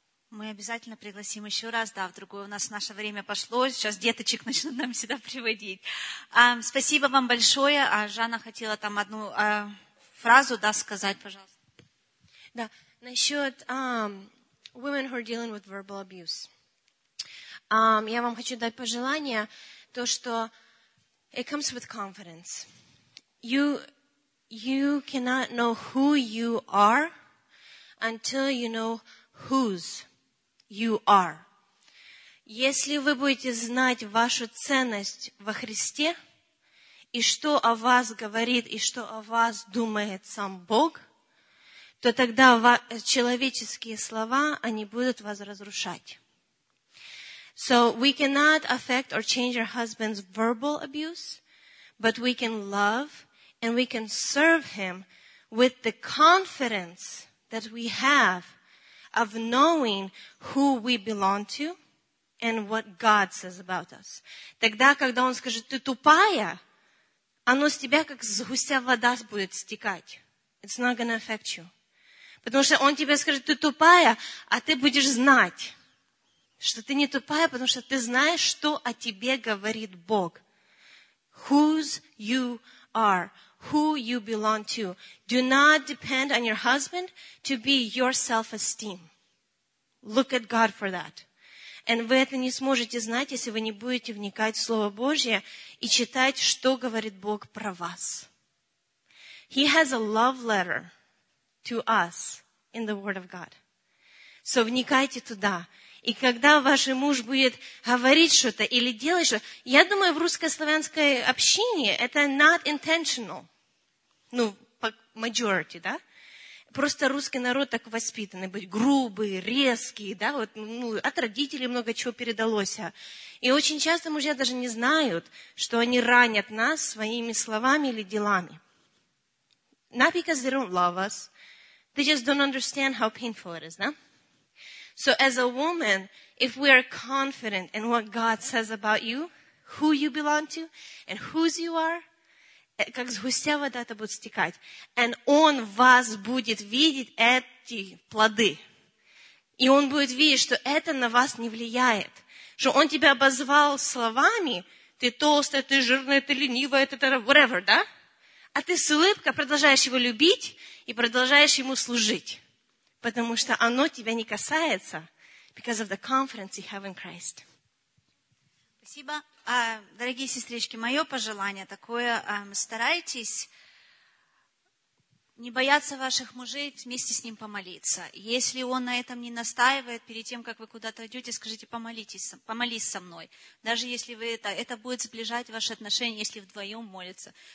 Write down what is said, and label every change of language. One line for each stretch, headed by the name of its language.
Russian: Мы обязательно пригласим еще раз, да, в другое у нас наше время пошло, сейчас деточек начнут нам сюда приводить. Спасибо вам большое, Жанна хотела там одну фразу, да, сказать, пожалуйста. Да, насчет
English: women who are dealing with verbal abuse.
Russian: Я вам хочу дать пожелание, то, что
English: it comes with confidence. You cannot know who you are until you know whose. You are.
Russian: Если вы будете знать вашу ценность во Христе, и что о вас говорит, и что о вас думает сам Бог, то тогда человеческие слова, они будут вас разрушать.
English: So we cannot affect or change our husband's verbal abuse, but we can love and we can serve him with the confidence that we have of knowing who we belong to and what God says about us.
Russian: Тогда, когда он скажет, ты тупая, оно с тебя как с гуся вода будет стекать.
English: It's not going to affect you.
Russian: Потому что он тебе скажет, ты тупая, а ты будешь знать, что ты не тупая, потому что ты знаешь, что о тебе говорит Бог.
English: whose you are, who you belong to. Do not depend on your husband to be your self-esteem. Look at God for that.
Russian: And вы это не сможете знать, если вы не будете вникать в Слово Божье и читать, что говорит Бог про вас.
English: He has a love letter to us in the Word of God.
Russian: So вникайте туда. И когда ваш муж будет говорить что-то или делать что-то, я думаю, в русско-славянской общине это
English: not intentional.
Russian: Ну, majority, да? Просто русский народ так воспитанный, быть грубый, резкий, да, вот, ну, от родителей много чего передалось. И очень часто мужья даже не знают, что они ранят нас своими словами или делами.
English: Not because they don't love us. They just don't understand how painful it is, да? So as a woman, if we are confident in what God says about you, who you belong to, and whose you are,
Russian: как сгустя вода это будет стекать. And он вас будет видеть эти плоды. И он будет видеть, что это на вас не влияет. Что он тебя обозвал словами, ты толстая, ты жирная, ты ленивая, ты whatever, да? А ты с улыбкой продолжаешь его любить и продолжаешь ему служить. Потому что оно тебя не касается.
English: Because of the confidence you have in Christ.
Russian: Спасибо. Дорогие сестрички, мое пожелание такое, старайтесь не бояться ваших мужей, вместе с ним помолиться. Если он на этом не настаивает, перед тем, как вы куда-то идете, скажите, помолитесь, помолись со мной. Даже если вы это будет сближать ваши отношения, если вдвоем молиться.